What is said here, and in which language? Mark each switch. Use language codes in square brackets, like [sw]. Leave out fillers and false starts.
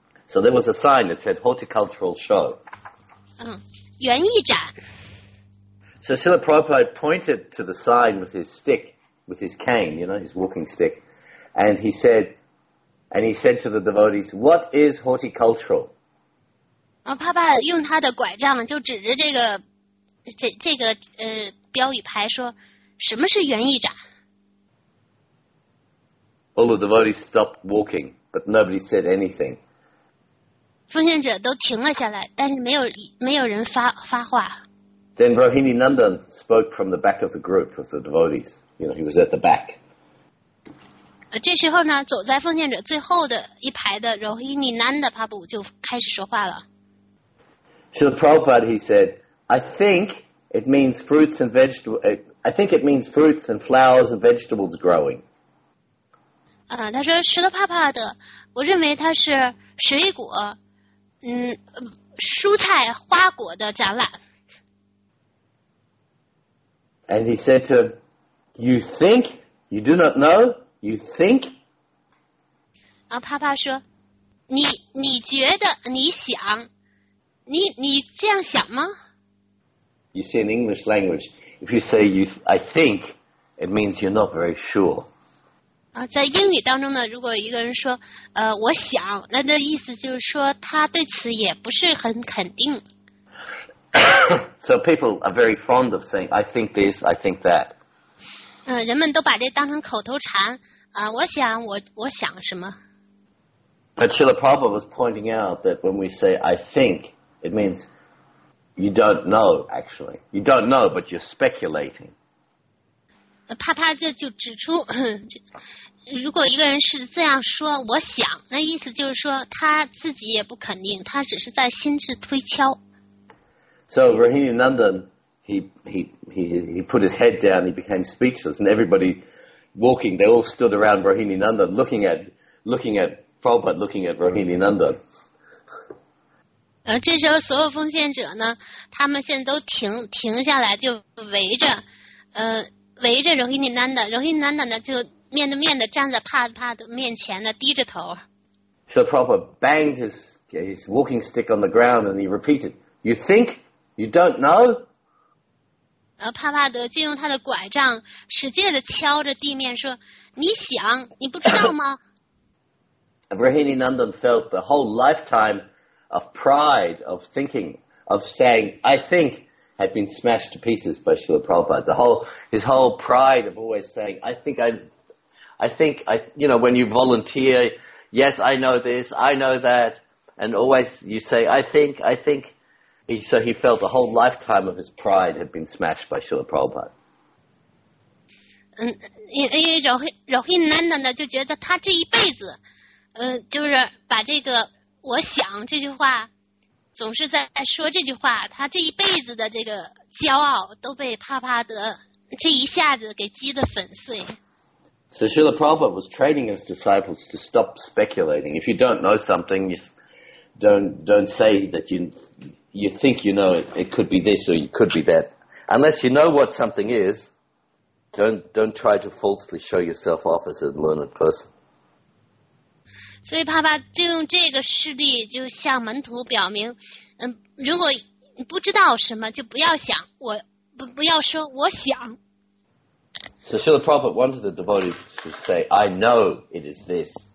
[en] So there was a sign that said horticultural show. [zh] 园艺展 [en] So Srila Prabhupada pointed to the sign with his stick, with his cane, you know, his walking stick. And he said to the devotees, what is horticultural? [zh] 帕帕用他的拐杖就指着这个标语牌说什么是园艺展？ [en] All the devotees stopped walking, but nobody said anything. [zh] 奉献者都停了下来，但是没有人发话。 [en] Then Rohini Nandan spoke from the back of the group of the devotees. You know, he was at the back. [zh] 这时候呢，走在奉献者最后的一排的 Rohini Nandan Prabhu 就开始说话了。 [en] Srila Prabhupada, he said, I think it means fruits and vegetables. I think it means fruits and flowers and vegetables growing. [zh] 他说 Srila Prabhupada, 我认为它是水果，蔬菜花果的展览。 [en] And he said to him, "You think? You do not know? You think?" [zh] 帕说，你觉得你想。你这样想吗？ [en] You see, in English language, if you say I think, it means you're not very sure. [zh] 在英语当中呢，如果一个人说我想，那的意思就是说他对此也不是很肯定。 [en] So people are very fond of saying I think this, I think that. [zh] 人们都把这当成口头禅我想我想什么。 [en] But Srila Prabhupada was pointing out that when we say I think,It means you don't know, actually. You don't know, but you're speculating. [zh] 帕帕就指出，如果一个人是这样说，我想，那意思就是说他自己也不肯定，他只是在心智推敲。 [en] So Rohini Nandan, he put his head down, he became speechless, and everybody walking, they all stood around Rohini Nandan, looking at Prabhupada, looking at Rohini Nandan. [zh] 这时候所有奉献者呢，他们现在都停下来，就围着柔心难的，柔心难的呢，就面对面的站在帕帕的面前的，低着头。 [en] So Prabhupada banged his walking stick on the ground and he repeated, "You think? You don't know?" [zh] 帕帕德就用他的拐杖使劲的敲着地面说，你想，你不知道吗？ [en] Rohini Nandan felt the whole lifetime. Of pride, of thinking, of saying, I think, had been smashed to pieces by Srila Prabhupada. His whole pride of always saying, I think, you know, when you volunteer, yes, I know this, I know that, and always you say, I think. So he felt the whole lifetime of his pride had been smashed by Srila Prabhupada. [zh] 因为Rohini Nandan 就觉得他这一辈子，就是把这个。我想这句话总是在说这句话他这一辈子的这个骄傲都被帕帕德这一下子给击得粉碎。 [en] So Srila Prabhupada was training his disciples to stop speculating. If you don't know something, you don't say that you think you know it. It could be this or it could be that. Unless you know what something is, don't try to falsely show yourself off as a learned person. [zh] 所以帕帕就用这个事例就向门徒表明如果不知道什么就不要想我 不要说我想。 [en] So Srila Prabhupada wanted the devotees to say, I know it is this.